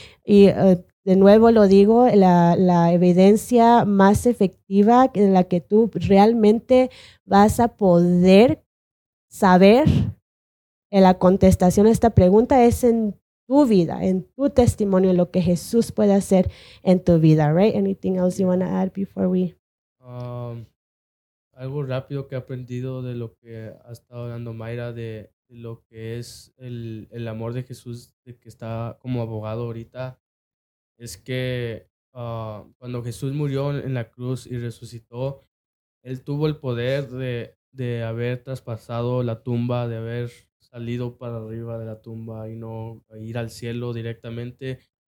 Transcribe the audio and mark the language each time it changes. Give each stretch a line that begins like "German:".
Spanish: Y de nuevo lo digo, la evidencia más efectiva en la que tú realmente vas a poder saber la contestación a esta pregunta es en tu vida, en tu testimonio, lo que Jesús puede hacer en tu vida, right?
English: Anything else you want to add before we
Spanish: algo rápido que he aprendido de lo que ha estado dando Mayra, de lo que es el amor de Jesús, de que está como abogado ahorita, es que cuando Jesús murió en la cruz y resucitó, Él tuvo el poder de haber traspasado la tumba, de haber salido para arriba de la tumba y no ir al cielo directamente.